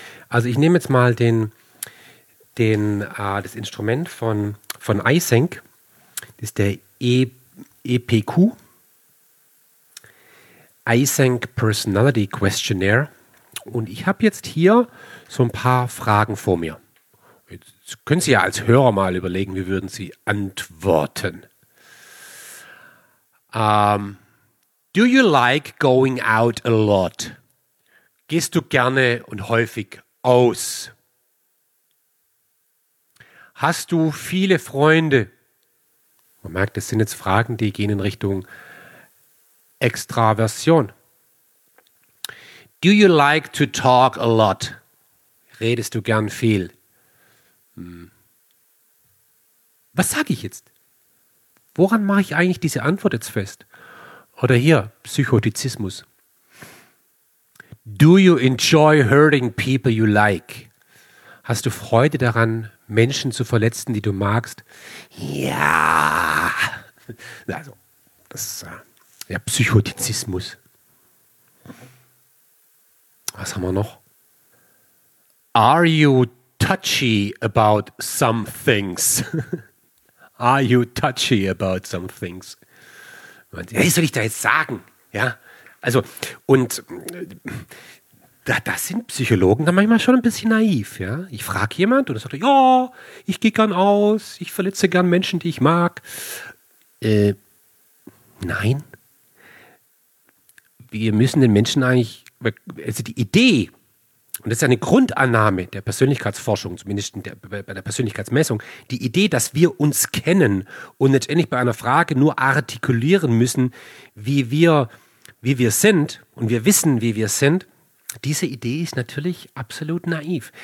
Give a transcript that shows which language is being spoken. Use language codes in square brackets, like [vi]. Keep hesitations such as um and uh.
[de] Also ich nehme jetzt mal den, den, uh, das Instrument von, von Isenk, das ist der EPQ, -E Isenk Personality Questionnaire. Und ich habe jetzt hier so ein paar Fragen vor mir. Jetzt können Sie ja als Hörer mal überlegen, wie würden Sie antworten. [en] Um, do you like going out a lot? [de] Gehst du gerne und häufig aus? Hast du viele Freunde? Man merkt, das sind jetzt Fragen, die gehen in Richtung Extraversion. [en] Do you like to talk a lot? [de] Redest du gern viel? Hm. Was sage ich jetzt? Woran mache ich eigentlich diese Antwort jetzt fest? Oder hier, Psychotizismus. [en] Do you enjoy hurting people you like? [de] Hast du Freude daran, Menschen zu verletzen, die du magst? Ja. Also, das ist ja Psychotizismus. Was haben wir noch? [en] Are you touchy about some things? Are you touchy about some things? [de] Was soll ich da jetzt sagen? Ja, also und äh, da, sind Psychologen dann manchmal schon ein bisschen naiv. Ja, ich frage jemand und er sagt ja, ich gehe gern aus, ich verletze gern Menschen, die ich mag. Äh, nein, wir müssen den Menschen eigentlich also die Idee, und das ist eine Grundannahme der Persönlichkeitsforschung, zumindest bei der, der Persönlichkeitsmessung, die Idee, dass wir uns kennen und letztendlich bei einer Frage nur artikulieren müssen, wie wir, wie wir sind und wir wissen, wie wir sind, diese Idee ist natürlich absolut naiv.